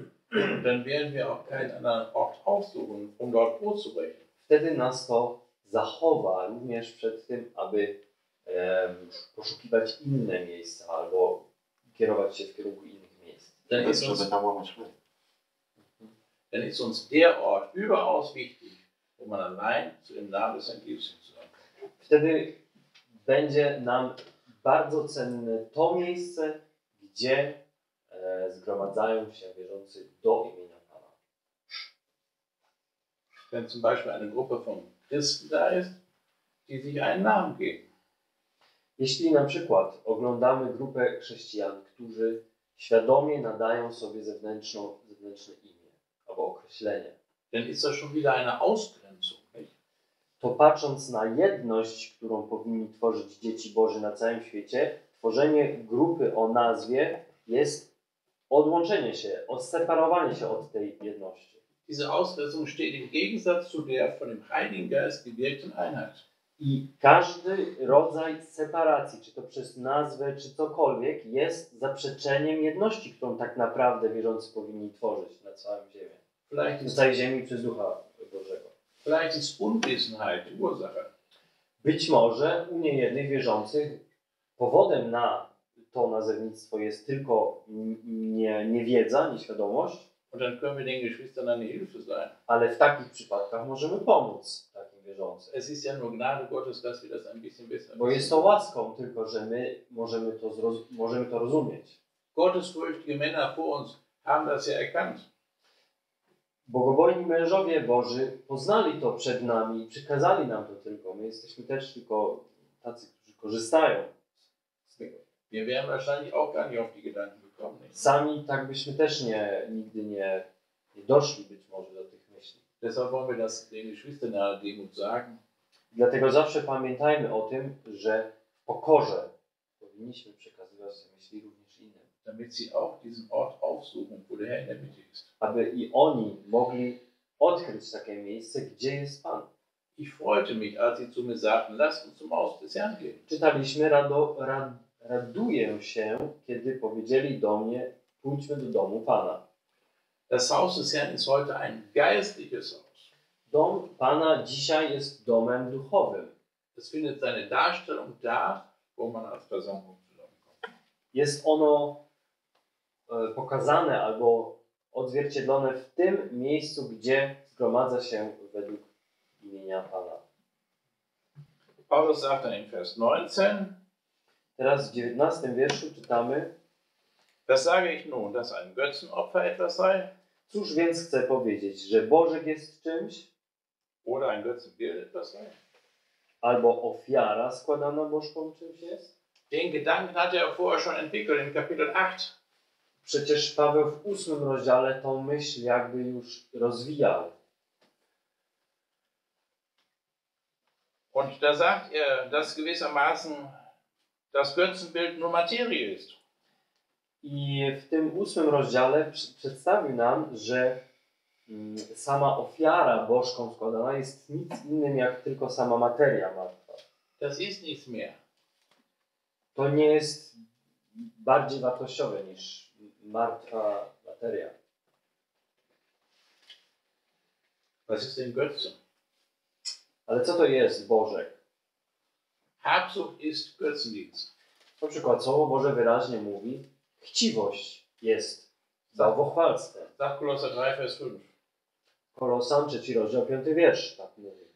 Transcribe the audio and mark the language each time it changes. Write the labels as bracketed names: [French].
[German] Dann werden wir auch keinen anderen Ort aufsuchen, um dort vorzubrechen. [Polish] Wtedy nas to zachowa również przed tym, aby poszukiwać inne miejsca albo kierować się w kierunku innych miejsc. [German] Dann ist uns, [Polish] żeby tam łamać chleb. [German] Dann ist uns der Ort überaus wichtig, wo man allein zu dem Namen St. Jesus zusammen. [Polish] Wtedy będzie nam bardzo cenne to miejsce, gdzie zgromadzają się wierzący do imienia. [German] Wenn zum Beispiel eine Gruppe von Christen da ist, die sich einen Namen geben. [Polish] Jeśli na przykład oglądamy grupę chrześcijan, którzy świadomie nadają sobie zewnętrzne imię albo określenie. [German] Dann ist das schon wieder eine Ausgrenzung, nicht? [Polish] To patrząc na jedność, którą powinni tworzyć dzieci Boże na całym świecie, tworzenie grupy o nazwie jest odłączenie się, odseparowanie się od tej jedności. [German] Diese Ausgrenzung steht im Gegensatz zu der von dem Heiligen Geist gewirkten Einheit. [Polish] I każdy rodzaj separacji, czy to przez nazwę, czy cokolwiek, jest zaprzeczeniem jedności, którą tak naprawdę wierzący powinni tworzyć na całym ziemi. [German] Vielleicht [Polish] ist, na całej ziemi przez Ducha Bożego. [German] Vielleicht ist Unwissenheit die Ursache. B- [Polish] Być może u niejednych wierzących powodem na to nazewnictwo jest tylko niewiedza, nieświadomość. [German] Und dann können wir den Geschwistern eine Hilfe sein. [Polish] Ale w takich przypadkach możemy pomóc takim wierzącym. [German] Es ist ja nur Gnade Gottes, dass wir das ein bisschen besser. [Polish] Bo jest to łaską, tylko że my możemy to rozumieć. [German] Gottesfürchtige Männer vor uns haben das ja erkannt. [Polish] Bogobojni mężowie Boży poznali to przed nami, przekazali nam to tylko. My jesteśmy też tylko tacy, którzy korzystają z tego. [German] Wir wären wahrscheinlich auch gar nicht auf die Gedanken gekommen. [Polish] Sami tak byśmy też nigdy nie doszli być może do tych myśli. [German] Deshalb wollen wir das den Geschwistern in aller Demut sagen. [Polish] Dlatego zawsze pamiętajmy o tym, że w pokorze powinniśmy przekazywać te myśli również innym. [German] Damit sie auch diesen Ort aufsuchen, wo der Herr in der Mitte ist. [Polish] Aby i oni mogli odkryć takie miejsce, gdzie jest Pan. [German] Ich freute mich, als sie zu mir sagten, lass uns zum Haus des Herrn gehen. [Polish] Czytaliśmy, raduję się, kiedy powiedzieli do mnie, pójdźmy do domu Pana. [German] Das Haus des Herrn ist heute ein geistliches Haus. [Polish] Dom Pana dzisiaj jest domem duchowym. [German] Es findet seine Darstellung da, wo man als Person kommt. [Polish] Jest ono pokazane albo odzwierciedlone w tym miejscu, gdzie zgromadza się według imienia Pana. [German] Paulus sagt in Vers 19. [Polish] Teraz w 19 wierszu czytamy. [German] Was sage ich nun, dass ein Götzenopfer etwas sei? [Polish] Cóż więc chcę powiedzieć, że Bożek jest czymś? [German] Oder ein Götzenbild etwas sei? [Polish] Albo ofiara składana Bożkom czymś jest? [German] Den Gedanken hat er vorher schon entwickelt in Kapitel 8. [Polish] Przecież Paweł w 8 rozdziale tą myśl jakby już rozwijał. [German] Und da sagt er, dass gewissermaßen das Götzenbild nur Materie ist. [Polish] I w tym 8 rozdziale przedstawił nam, że sama ofiara bożką składana jest nic innym jak tylko sama materia martwa. [German] Das ist nichts mehr. [Polish] To nie jest bardziej wartościowe niż martwa materia. [German] Was ist denn Götze? [Polish] Ale co to jest Bożek? [German] Habsucht ist Götzendienst. [Polish] Na przykład słowo Boże wyraźnie mówi, chciwość jest bałwochwalstwem. Tak Kolosa 3, vers 5. Kolosan 3, rozdział 5, wiersz tak mówi.